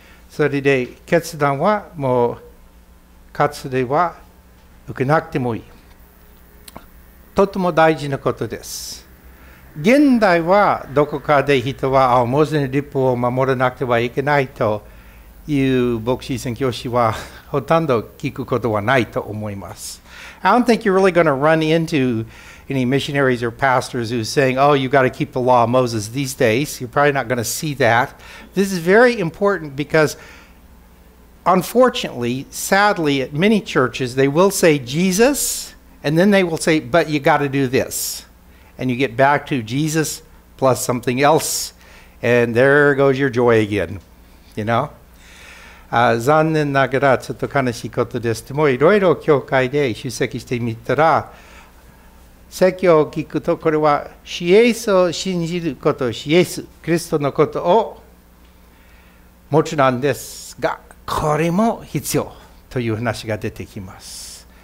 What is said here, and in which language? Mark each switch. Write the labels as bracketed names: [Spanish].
[Japanese] それで決断はもう割礼は受けなくてもいい。とても大事なことです。現代はどこかで人は、ああ、モーゼの律法を守らなくてはいけないという牧師宣教師はほとんど聞くことはないと思います。 [English] I don't think you're really going to run into any missionaries or pastors who's saying, oh, you've got to keep the law of Moses these days. You're probably not going to see that. This is very important because, unfortunately, sadly, at many churches, they will say Jesus. And then they will say, but you got to do this. And you get back to Jesus plus something else. And there goes your joy again. You know? [Japanese] 残念ながらちょっと悲しいことです。でもいろいろ教会で出席してみたら、説教を聞くとこれは、主イエスを信じること、主イエス、キリストのことを持つなんですが、これも必要という話が出てきます。